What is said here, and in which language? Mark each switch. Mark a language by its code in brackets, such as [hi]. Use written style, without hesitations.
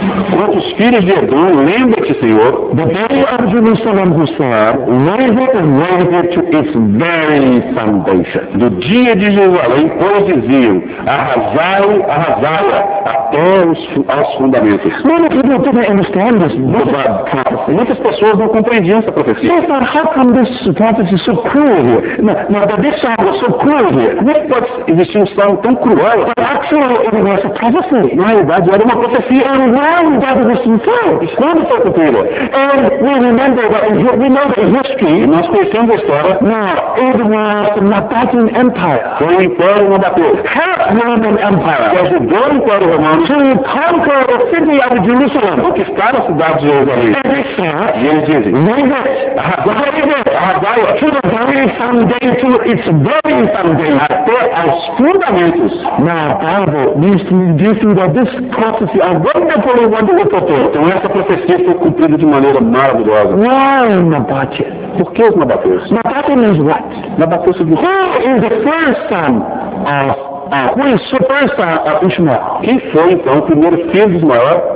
[pt] Quanto os filhos de Edom, lembra-te, Senhor, [en] the day of Jerusalem who said, raise it and raise it to its very foundation. [pt] Do dia de Jerusalém, pois diziam, arrasai-o até aos fundamentos. [en] Many people didn't understand this bad prophecy. [pt] Muitas pessoas não compreendiam essa profecia. [en] They thought, how come this prophecy is so cruel here? Now that this song was so cruel here. [pt] Não pode existir um salmo tão cruel. [en] But actually, it was a prophecy. [pt] Na realidade, era uma profecia. [en] And why that was fulfilled? [pt] Quando foi cumprido? [en] And we remember that we know the history. [pt] Nós conhecemos a história. [en] Now, it was the Nabatean Empire. [pt] Foi o Império Nabateu. [en] Half Roman Empire. [pt] Que ajudou o Império Romano. [en] To conquer the city of Jerusalem. [pt] Conquistar a cidade de Jerusalém. [en] And they said, [pt] e eles dizem, [en] Raise it. To the very foundation, to its very foundation. [pt] Até aos fundamentos. [en] Now, Bible, do you see that this prophecy of wonderfully wonderful fulfilled? [pt] Então essa profecia foi cumprida de maneira maravilhosa. [en] Why Nabatean? [pt] Por que os Nabateus? [en] Nabatean is what? [pt] Nabateus [en] is who is the first son of who is the first son of Ishmael? [pt] Quem foi então o primeiro filho de Ismael?